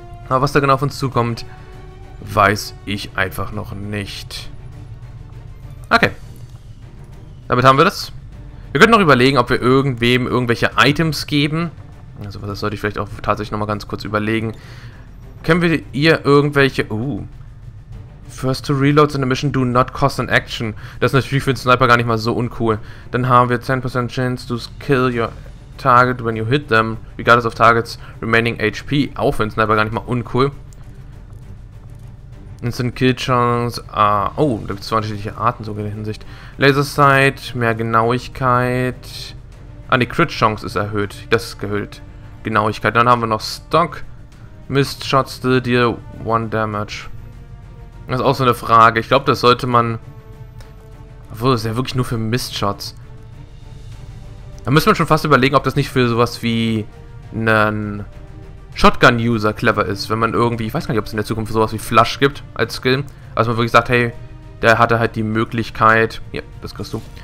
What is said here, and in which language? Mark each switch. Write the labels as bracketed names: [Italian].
[German] Aber was da genau auf uns zukommt, weiß ich einfach noch nicht. Okay. Damit haben wir das. Wir könnten noch überlegen, ob wir irgendwem irgendwelche Items geben. Also das sollte ich vielleicht auch tatsächlich nochmal ganz kurz überlegen. Können wir ihr irgendwelche... [English] First two reloads in a mission do not cost an action. [German] Das ist natürlich für den Sniper gar nicht mal so uncool. Dann haben wir 10% [English] chance to kill your target when you hit them, regardless of target's remaining HP. [German] Auch für den Sniper gar nicht mal uncool. Instant kill chance. Da gibt es zwei unterschiedliche Arten sogar in der Hinsicht. Laser sight, mehr Genauigkeit. Die Crit Chance ist erhöht. Das ist erhöht. Genauigkeit. Dann haben wir noch Stock. [English] Missed shots still deal one damage. [German] Das ist auch so eine Frage. Ich glaube, das sollte man... Obwohl, das ist ja wirklich nur für Missed Shots. Da müsste man schon fast überlegen, ob das nicht für sowas wie einen Shotgun-User clever ist. Wenn man irgendwie... Ich weiß gar nicht, ob es in der Zukunft sowas wie Flash gibt als Skill. Also man wirklich sagt, hey, der hatte halt die Möglichkeit... Ja, das kriegst du.